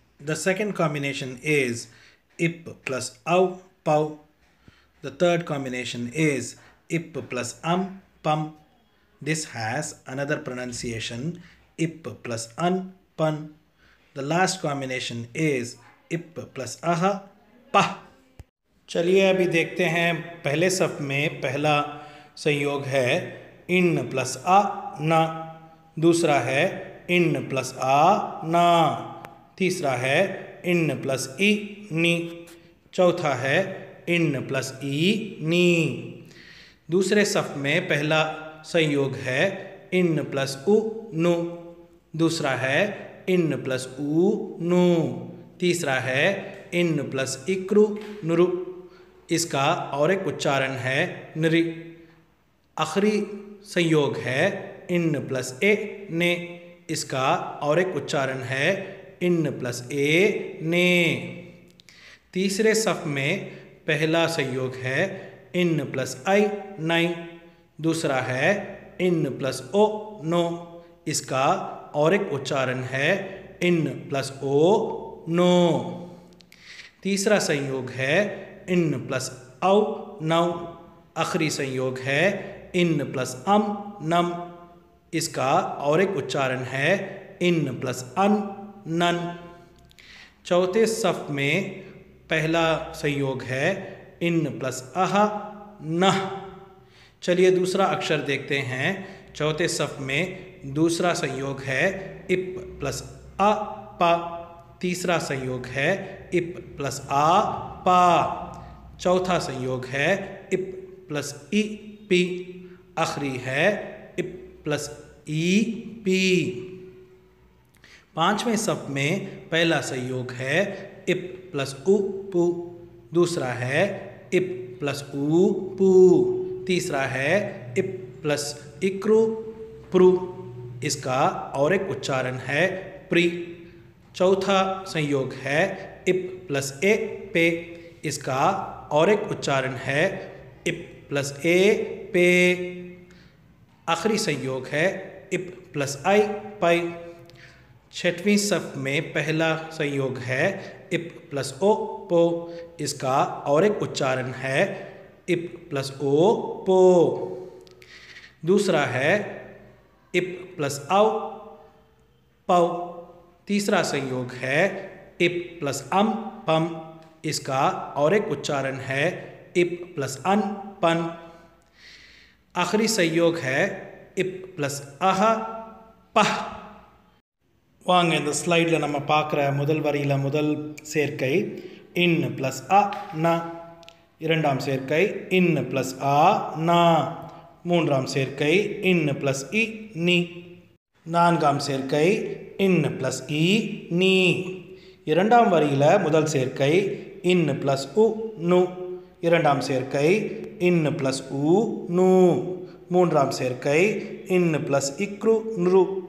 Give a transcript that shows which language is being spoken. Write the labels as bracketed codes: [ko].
[en] The second combination is ip plus au pau. The third combination is ip plus pum. This has another pronunciation ip plus pun. The last combination is ip plus aha pa. [hi] चलिए अभी देखते हैं पहले सब में पहला संयोग है in plus a na. दूसरा है in plus a na. तीसरा है in plus e ni. चौथा है in plus e ni. दूसरे सब में पहला संयोग है in plus u nu. दूसरा है in plus u nu. तीसरा है in plus ikru nuru. इसका और एक उच्चारण है नरि. आखिरी संयोग है in plus a ne. इसका और एक उच्चारण है in plus a ne. तीसरे सब में पहला संयोग है in plus i nai. दूसरा है in plus o no. इसका और एक उच्चारण है in plus o no. तीसरा संयोग है in plus au nau. आखिरी संयोग है in plus num. इसका और एक उच्चारण है in plus nun. चौथे सब में पहला संयोग है in plus aha nah. चलिए दूसरा अक्षर देखते हैं. चौथे सब में दूसरा संयोग है ip plus a pa. तीसरा संयोग है ip plus a pa. चौथा संयोग है ip plus e p. आखिरी है ip plus e p. पांचवें सब में पहला संयोग है ip plus u pu. दूसरा है ip plus u pu. तीसरा है ip plus ikru pru. इसका और एक उच्चारण है प्री. चौथा संयोग है ip plus a pe. इसका और एक उच्चारण है ip plus a pe. आखिरी संयोग है ip plus i pi. छठवीं सब में पहला संयोग है ip plus o po. इसका और एक उच्चारण है ip plus o po. दूसरा है ip plus au. पव तीसरा संयोग है इप प्लस अम पम, इसका और एक उच्चारण है इप प्लस अन पन। आखिरी संयोग है इप प्लस अह पह। [ta] வாங்க இந்த ஸ்லைடில் நம்ம பார்க்குற முதல் வரியில் முதல் சேர்க்கை இன் ப்ளஸ் அ ந, இரண்டாம் சேர்க்கை இன் ப்ளஸ் அ ந, மூன்றாம் சேர்க்கை இன் ப்ளஸ் இ நி, நான்காம் சேர்க்கை இன் ப்ளஸ் இ நி, இரண்டாம் வரியில் முதல் சேர்க்கை இன் ப்ளஸ் உ நு, இரண்டாம் சேர்க்கை இன் ப்ளஸ் உ நு, மூன்றாம் சேர்க்கை இன் ப்ளஸ் இக்ரு நுரு.